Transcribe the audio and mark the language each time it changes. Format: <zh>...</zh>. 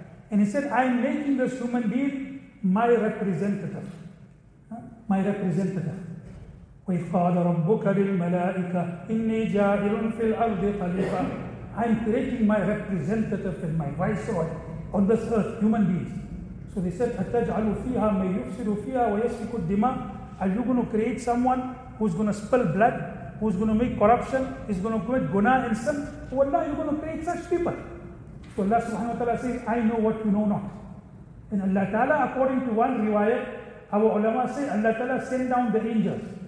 <en>And he said, I am making this human being my representative. My representative.</en> <ar>وَإِذْ قَالَ رَبُّكَ لِلْمَلَائِكَةِ إِنِّي جَائِلٌ فِي الْأَرْضِ خَلِيفَةً.</ar> <en>I am creating my representative and my viceroy on this earth, human beings. So they said,</en> <ar>أَتَجْعَلُ فِيهَا مَنْ يُفْسِدُ فِيهَا وَيَسْفِكُ الدِّمَاءَ.</ar> <en>Are you going to create someone who's going to spill blood, who's going to make corruption, is going to commit guna and sin? Wallah, you're going to create such people. So Allah subhanahu wa ta'ala says, I know what you know not. And Allah ta'ala, according to one riwayat, our ulama say, Allah ta'ala send down the angels.</en>